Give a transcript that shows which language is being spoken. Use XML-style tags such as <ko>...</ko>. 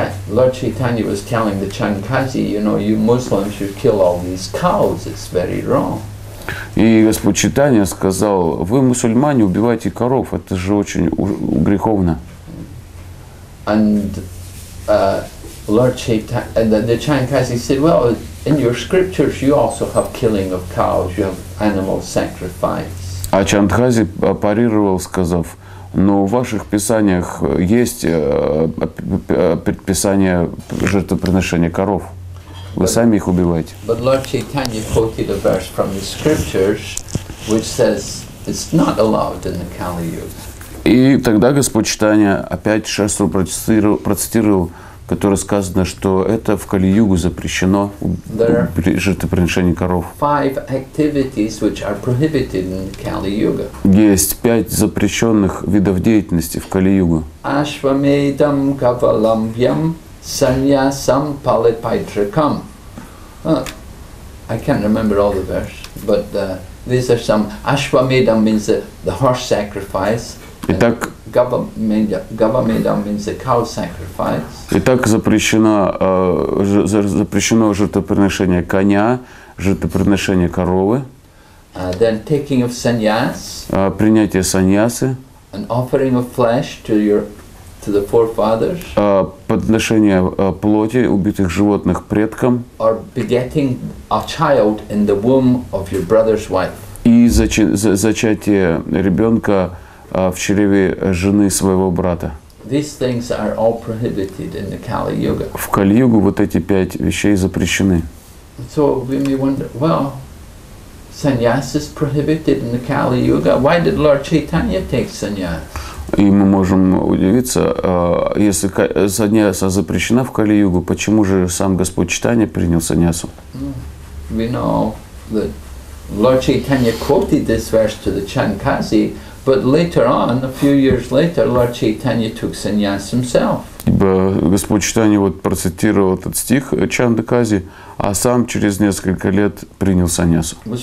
<en>Lord Chaitanya was telling the Chankasi, you know, you Muslims, you kill all these cows. It's very wrong.</en> <ru>И Господь Чайтанья сказал, вы мусульмане убиваете коров. Это же очень греховно.</ru> <en>And Lord Chaitanya, and the Chankasi said, well, in your scriptures, you also have killing of cows. You have animal sacrifice.</en> <ru>А Чанкази парировал, сказав. Но в ваших писаниях есть предписание жертвоприношения коров. Вы сами их убиваете.</ru> <en>But Lord Chaitanya quoted a verse from the scriptures, which says it's not allowed in the Kali Yuga.</en> <ru>И тогда Господь Чайтанья опять шастру процитировал, которое сказано, что это в Кали-Югу запрещено жертвоприношение коров.</ru> <en>Five activities which are prohibited in Kali-Yuga.</en> <ru>Есть пять запрещенных видов деятельности в Кали-Югу.</ru> <sa>Ашвамедам кавалампьям саньясам палипайтракам.</sa> <en>I can't remember all the verse, but these are some. Ашвамедам means the horse sacrifice.</en> <ru>Итак,</ru> <en>Гавамедам means the cow sacrifice.</en> <ru>Итак, запрещено жертвоприношение коня, жертвоприношение коровы.</ru> <en>Then taking of sannyas.</en> <ru>Принятие саньясы.</ru> <en>An offering of flesh to the forefathers.</en> <ru>Подношение плоти убитых животных предкам.</ru> <en>Or begetting a child in the womb of your brother's wife.</en> <ru>И зачатие ребенка в чреве жены своего брата.</ru> <en>These things are all prohibited in the Kali Yuga.</en> <ru>В Кали-Югу вот эти пять вещей запрещены.</ru> <en>So we may wonder, well, sannyas is prohibited in the Kali Yuga. Why did Lord Chaitanya take sannyas?</en> <ru>И мы можем удивиться, если саньяса запрещена в Кали-Югу, почему же сам Господь Чайтанья принял саньясу?</ru> <en>We know that Lord Chaitanya quoted this verse to the Chankasi. But later on, a few years later, Lord Chaitanya took sannyas himself.</en> <ru>Ибо Господь Читания вот процитировал этот стих Чандакази, а сам через несколько лет принял саньясу.</ru>